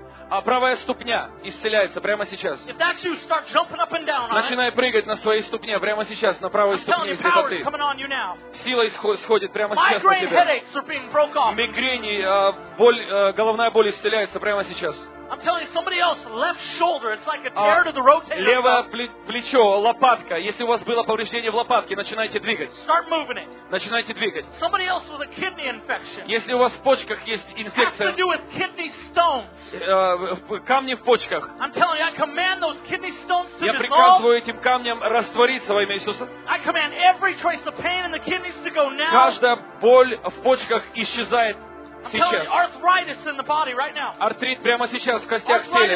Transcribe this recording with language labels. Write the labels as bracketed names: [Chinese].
[Russian] а правая ступня исцеляется прямо сейчас. Начинай прыгать на своей ступне прямо сейчас, на правой ступне, если это ты. Сила исходит прямо сейчас на тебя. Мигрени, боль, головная боль исцеляется прямо сейчас. [English] I'm telling you, somebody else, left shoulder, it's like a tear to the rotator. [Russian] Левое плечо, лопатка. Если у вас было повреждение в лопатке, начинайте двигать. [English] Start moving it. [Russian] Начинайте двигать. [English] Somebody else with a kidney infection. [Russian] Если у вас в почках есть инфекция. [English] Has to do with kidney stones. [Russian] Камни в почках. [English] I'm telling you, I command those kidney stones to dissolve. [Russian] Я приказываю этим камням раствориться во имя Иисуса. [English] I command every trace of pain in the kidneys to go now. [Russian] Каждая боль в почках исчезает. Сейчас. [English] Arthritis in the body right now. [Russian] Артрит прямо сейчас в костях, в теле.